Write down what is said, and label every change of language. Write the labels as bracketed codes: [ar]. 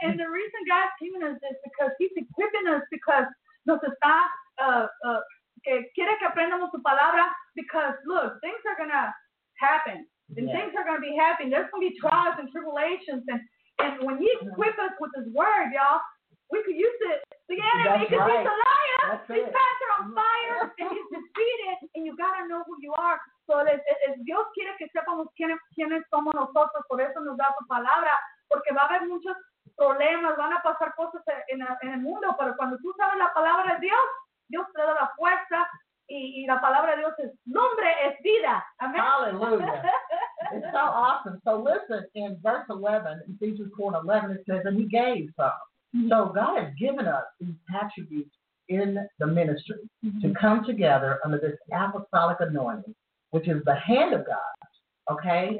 [en] And the reason God's giving us this is because he's equipping us, because [es] nos está que quiere que aprendamos su palabra, [en] because look, things are gonna happen and things are gonna be happening. There's gonna be trials and tribulations, and when he equip us with his word, y'all, we could use it. The enemy, because right. He's a liar. That's his pants are on fire and he's defeated, and you gotta know who you are. So if [es] Dios quiere que sepamos quiénes somos nosotros, por eso nos da su palabra, porque va a haber muchos problemas, van a pasar cosas en el mundo, pero cuando tú sabes la palabra de Dios, Dios te da la fuerza, y la palabra de Dios es nombre, es vida. [en] Amen. Hallelujah. It's so awesome. So listen, in verse 11, Ephesians 4 and 11, it says, and he gave some. Mm-hmm. So God has given us these attributes in the ministry mm-hmm. to come together under this apostolic anointing, which is the hand of God, okay?